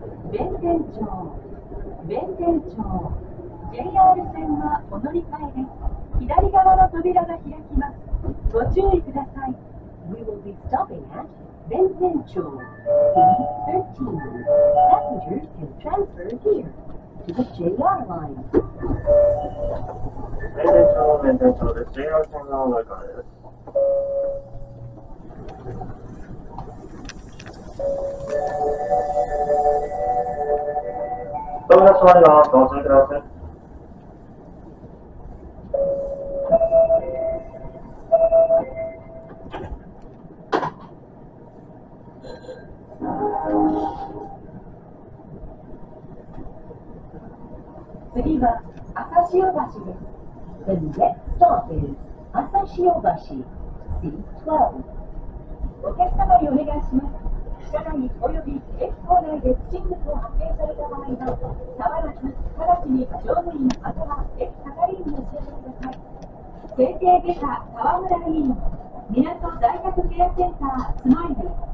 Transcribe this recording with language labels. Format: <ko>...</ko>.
<ja>弁天町弁天町 JR 線はお乗り換えです。左側の扉が開きます。ご注意ください。</ja> <en>We will be stopping at 弁天町 C13. Passengers can transfer here to the JR line.</en> <ja>弁天町、弁天町です。 JR 線はお乗り換えです。扉が閉まります。ご注意ください。次は朝潮橋です。</ja> <en>The next stop is 朝潮橋 C12。</en> <ja>お客様にお願いします。車内および駅構内で不審物を発見された場合は、たまらず直ちに乗務員または駅係員に教えてください。整形外科川村委員、港大学ケアセンタースマイル。</ja>